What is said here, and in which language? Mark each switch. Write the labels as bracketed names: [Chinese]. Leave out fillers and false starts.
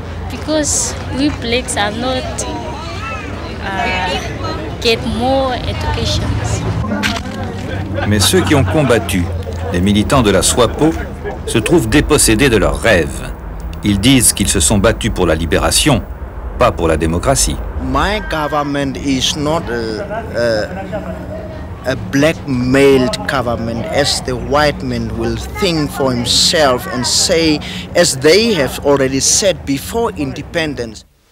[English] Because we blacks are not get more education. [French] Mais ceux qui ont combattu, les militants de la SWAPO, se trouvent dépossédés de leurs rêves. Ils disent qu'ils se sont battus pour la libération, pas pour la démocratie. [English] My government is not a black-mailed government, as the white man will think for himself and say, as they have already said before independence.